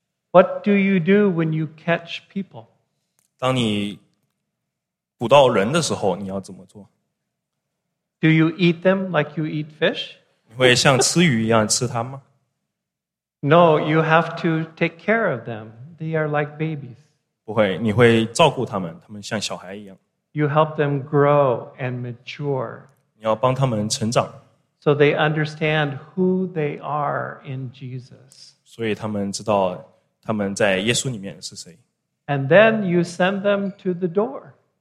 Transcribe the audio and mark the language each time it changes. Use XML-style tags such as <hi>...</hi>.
<en>What do you do when you catch people?</en> <zh>当你捕到人的时候, 你要怎么做?</zh> <en>Do you eat them like you eat fish?</en> <zh>你会像吃鱼一样吃它吗?</zh> <en>No, you have to take care of them. They are like babies.</en> <zh>不会, 你会照顾他们, 他们像小孩一样。</zh> <en>You help them grow and mature.</en> <zh>你要帮他们成长。</zh> <en>So they understand who they are in Jesus.</en> <zh>所以他们知道他们在耶稣里面是谁。</zh> <en>And then you send them to the door.</en>